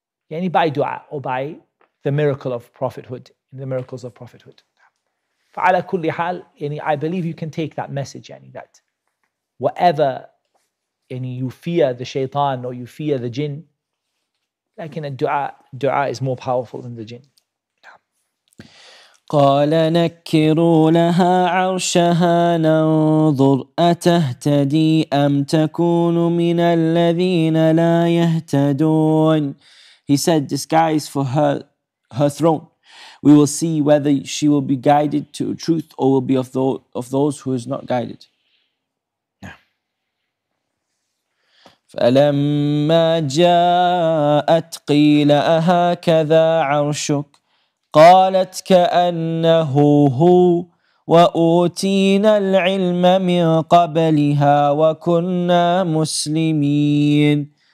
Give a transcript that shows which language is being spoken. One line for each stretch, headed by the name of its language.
English: Yani by dua, or by the miracle of prophethood, the miracles of prophethood.
Arabic: فَعَلَى كُلِّ حَالِ
English: يعني, I believe you can take that message, yani, that whatever you fear the shaitan, or you fear the jinn,
Arabic: لكن الدعاء
English: is more powerful than the jinn.
Arabic: قال نكروا لها عرشها ننظر أتهتدي أم تكون من الذين لا يهتدون.
English: He said, disguise for her throne. We will see whether she will be guided to truth or will be of those who is not guided.
Arabic: فَلَمَّا جَاءَتْ قِيلَ أَهَكَذَا عَرْشُكَ قَالَتْ كَأَنَّهُ هُوَ وَأُوتِينَا الْعِلْمَ مِنْ قَبْلِهَا وَكُنَّا مُسْلِمِينَ.